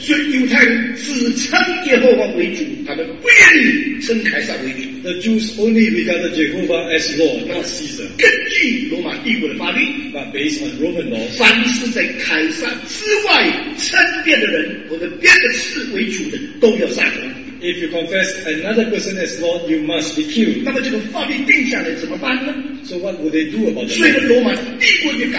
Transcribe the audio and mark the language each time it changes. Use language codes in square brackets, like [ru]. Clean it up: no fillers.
[zh] 所以犹太人只称耶和华为主, 他们不愿意称凯撒为主。 [en] The Jews only regarded Jehovah as Lord, not Caesar. [zh] 根据罗马帝国的法律, [en] but based on Roman law, [zh] 凡是在凯撒之外称别的人, 或者别的事为主的都要杀头。 [en] If you confess another person as Lord, you must be killed. [zh] 那么这个法律定下来怎么办呢? [en] So what would they do about it?